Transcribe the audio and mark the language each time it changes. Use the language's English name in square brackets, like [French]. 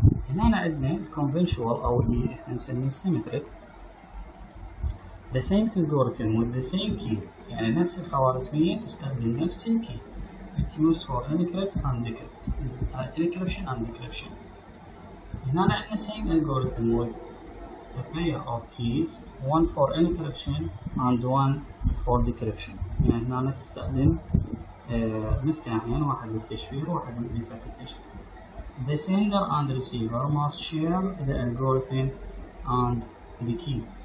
[Arabic] هنا عندنا الكونفنشوال او اللي احنا نسميه سيمتريك، ذا سيم الجوريثم وذ ذا سيم كي، يعني نفس الخوارزميه تستخدم نفس الكي. [English] It used for encrypt and decrypt. Encryption and decryption. [Arabic] هنا عندنا [English] same algorithm with a pair of keys, one for encryption and one for decryption. [Arabic] يعني هنا نستخدم مفتاحين، واحد للتشفير وواحد لفك التشفير. [English] The sender and receiver must share the algorithm and the key.